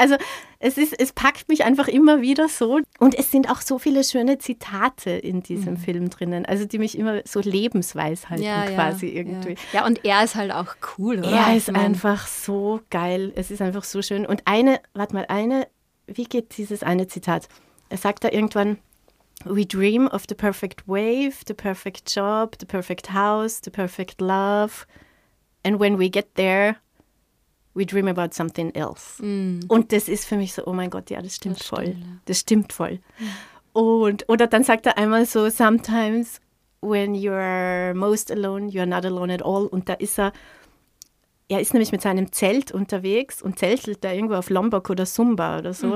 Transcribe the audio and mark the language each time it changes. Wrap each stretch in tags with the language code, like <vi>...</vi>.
<de>Also es packt mich einfach immer wieder so. Und es sind auch so viele schöne Zitate in diesem Film drinnen, also die mich immer so Lebensweisheiten irgendwie. Ja, und er ist halt auch cool, oder? Er ist einfach so geil. Es ist einfach so schön. Und eine, warte mal, eine, wie geht dieses eine Zitat? Er sagt da irgendwann...</de> <en>We dream of the perfect wave, the perfect job, the perfect house, the perfect love. And when we get there, we dream about something else. Mm.</en> <de>Und das ist für mich so, oh mein Gott, ja, das stimmt voll. Ja. Das stimmt voll. Und oder dann sagt er einmal so, sometimes when you're most alone, you're not alone at all. Und da ist er ist nämlich mit seinem Zelt unterwegs und zeltelt da irgendwo auf Lombok oder Sumba oder so.</de>